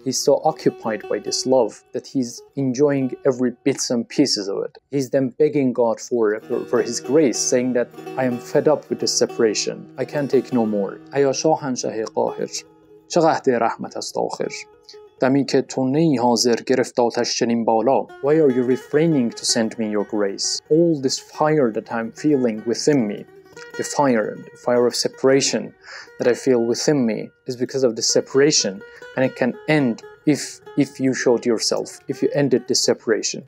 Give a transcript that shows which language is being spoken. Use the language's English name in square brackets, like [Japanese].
[English] He's so occupied by this love that he's enjoying every bits and pieces of it. He's then begging God for his grace, saying that I am fed up with this separation. I can't take no more. [Persian] Ay shahanshah qahir, chaghde rahmat ast akhir. دمی که تو نی حاضر گرفت آتش چنین بالا. [English] Why are you refraining to send me your grace? All this fire that I'm feeling within me, the fire of separation that I feel within me, is because of the separation, and it can end if you showed yourself, if you ended this separation.